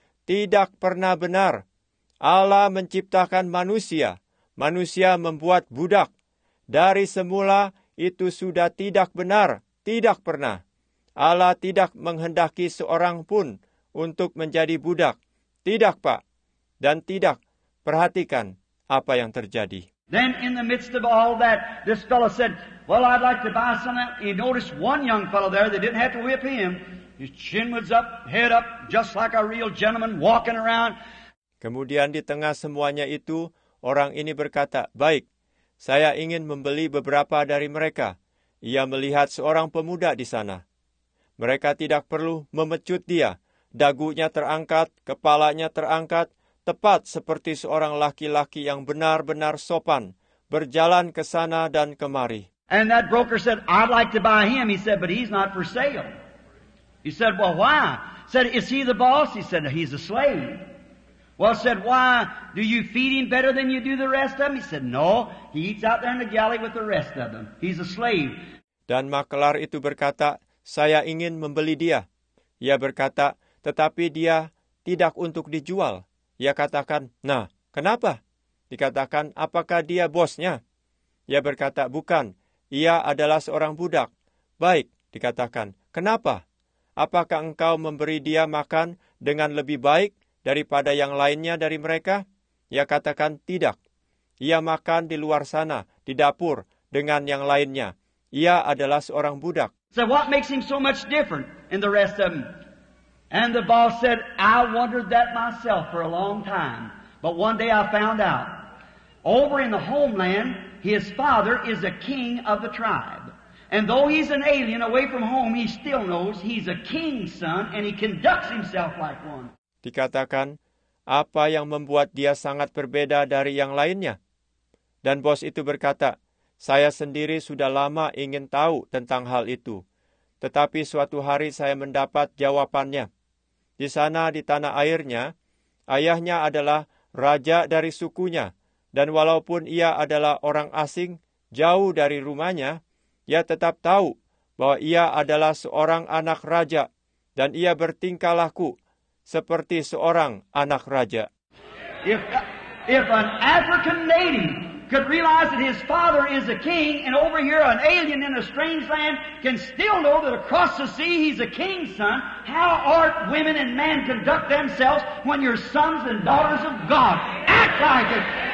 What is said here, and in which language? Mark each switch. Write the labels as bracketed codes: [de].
[id] Tidak pernah benar. Allah menciptakan manusia. Manusia membuat budak. Dari semula itu sudah tidak benar. Tidak pernah. Allah tidak menghendaki seorang pun untuk menjadi budak. Tidak, Pak. Dan tidak. Perhatikan apa yang terjadi. [en] Then in the midst of all that, this fellow said, well, I'd like to buy some. He noticed one young fellow there. They didn't have to whip him. His chin was up, head up, just like a real gentleman walking around. [id] Kemudian di tengah semuanya itu, orang ini berkata, baik, saya ingin membeli beberapa dari mereka. Ia melihat seorang pemuda di sana. Mereka tidak perlu memecut dia. Dagunya terangkat, kepalanya terangkat, tepat seperti seorang laki-laki yang benar-benar sopan, berjalan ke sana dan kemari. [en] And that broker said, I'd like to buy him. He said, but he's not for sale. He said, well, why? Said, is he the boss? He said, he's a slave. Well, said, why? Do you feed him better than you do the rest of them? He said, no, he eats out there in the galley with the rest of them. He's a slave. [id] Dan maklar itu berkata, saya ingin membeli dia. Ia berkata, tetapi dia tidak untuk dijual. Ia katakan, nah, kenapa? Dikatakan, apakah dia bosnya? Ia berkata, bukan, ia adalah seorang budak. Baik, dikatakan, kenapa? Apakah engkau memberi dia makan dengan lebih baik daripada yang lainnya dari mereka? Ia katakan, tidak. Ia makan di luar sana, di dapur, dengan yang lainnya. Ia adalah seorang budak. [en] So what makes him so much different in the rest of them? And the boss said, I wondered that myself for a long time. But one day I found out. Over in the homeland, his father is a king of the tribe. And though he's an alien away from home, he still knows he's a king's son and he conducts himself like one. [id] Dikatakan, apa yang membuat dia sangat berbeda dari yang lainnya? Dan bos itu berkata, saya sendiri sudah lama ingin tahu tentang hal itu. Tetapi suatu hari saya mendapat jawabannya. Di sana, di tanah airnya, ayahnya adalah raja dari sukunya. Dan walaupun ia adalah orang asing, jauh dari rumahnya, ia tetap tahu bahwa ia adalah seorang anak raja. Dan ia bertingkah laku seperti seorang anak raja. [en] If an African native could realize that his father is a king, and over here an alien in a strange land can still know that across the sea he's a king's son, how ought women and men conduct themselves when your sons and daughters of God act like it?